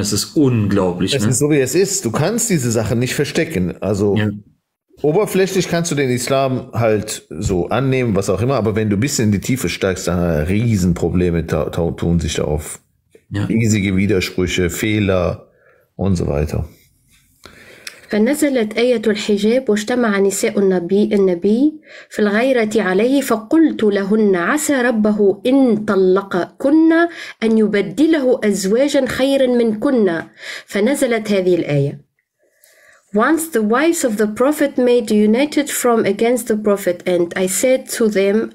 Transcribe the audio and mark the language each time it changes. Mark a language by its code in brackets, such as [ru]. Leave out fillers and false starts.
[de] Es ist unglaublich. Es ist so, wie es ist. Du kannst diese Sachen nicht verstecken. Also. Ja. Oberflächlich kannst du den Islam halt so annehmen, was auch immer, aber wenn du ein bisschen in die Tiefe steigst, dann Riesenprobleme tun sich da auf. Ja. Riesige Widersprüche, Fehler und so weiter. [ar] فنزلت آية الحجاب واجتمع نساء النبي في الغيرة عليه فقلت لهن عسى ربه إن طلق كنا أن يبدله أزواجا خيرا من كنا فنزلت هذه الآية. [en] Once the wives of the Prophet made united from against the Prophet, and I said to them,